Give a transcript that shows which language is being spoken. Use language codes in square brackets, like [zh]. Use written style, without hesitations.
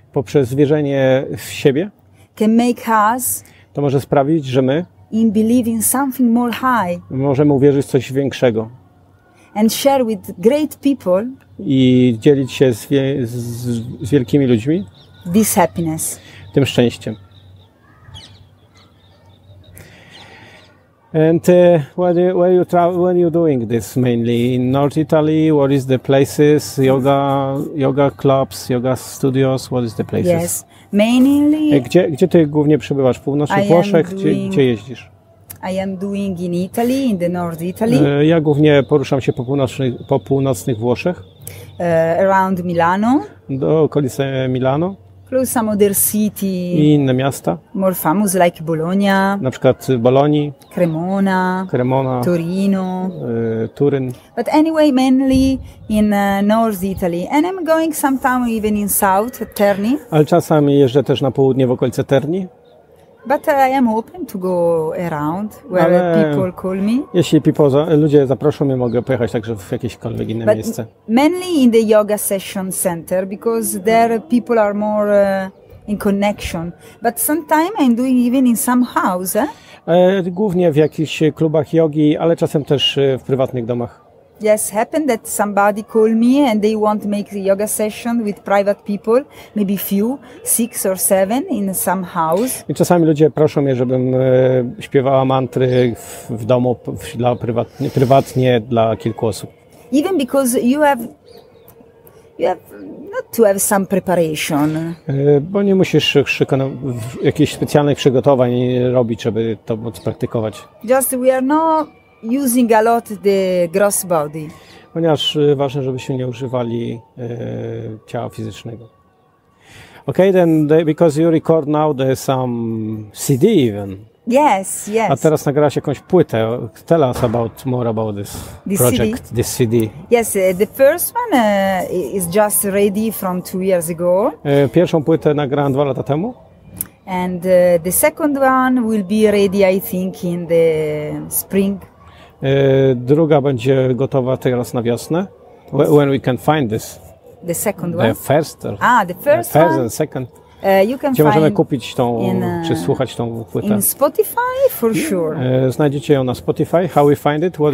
[pl] Poprzez wierzenie w siebie. [en] Can make us. [pl] To może sprawić, że my. [en] In believing something more high. [pl] Możemy uwierzyć w coś większego. [en] and share with great people. [pl] I dzielić się z wielkimi ludźmi. [en] This happiness. [pl] Tym szczęściem. [en] And where you travel? When you doing this mainly in North Italy? What is the places? Yoga clubs, yoga studios. What is the places? Yes, mainly. [pl] Gdzie ty głównie przebywasz? Północy Włoszech? Gdzie jeździsz? [en] I am doing in Italy, in the North Italy. [pl] Ja głównie poruszam się po północnych Włoszech. [en] Around Milano. [pl] Do okolicy Milano. [en] Plus some other city. [pl] I inne miasta. [en] More famous like Bologna. [pl] Na przykład Bologna. [en] Cremona. Torino. Turin. But anyway, mainly in North Italy. And I'm going sometime even in South, Terni. [pl] Ale czasami jeżdżę też na południe w okolice Terni. [en] But I am open to go around where [pl] Ale [en] people call me. [pl] Jeśli ludzie zaproszą mnie, mogę pojechać także w jakiekolwiek inne [en] But [pl] miejsce. [en] Mainly in the yoga session center because there people are more in connection. But sometimes I'm doing even in some house. [pl] Głównie w jakichś klubach jogi, ale czasem też w prywatnych domach. [en] Yes, happened that somebody called me and they want to make the yoga session with private people, maybe few, 6 or 7 in some house. [pl] I czasami ludzie proszą mnie, żebym śpiewała mantry w domu prywatnie dla kilku osób. [en] Even because you have not to have some preparation. [pl] Bo nie musisz jakichś specjalnych przygotowań robić, żeby to móc praktykować. [en] Just we are not using a lot the gross body. [pl] Ponieważ ważne, żebyśmy nie używali ciała fizycznego. [en] Okay, then because you record now the some CD even. Yes, yes. [pl] A teraz nagrałaś jakąś płytę. [en] Tell us more about this project, CD. This CD. Yes, the first one is just ready from 2 years ago. [pl] Pierwszą płytę nagrałam 2 lata temu. [en] And the second one will be ready, I think, in the spring. [pl] Druga będzie gotowa teraz na wiosnę. [en] When we can find this? The second one. The first one. [pl] Gdzie możemy kupić tą, czy słuchać tą płytę? [en] In Spotify, for sure. [pl] Znajdziecie ją na Spotify. [en] How we find it? What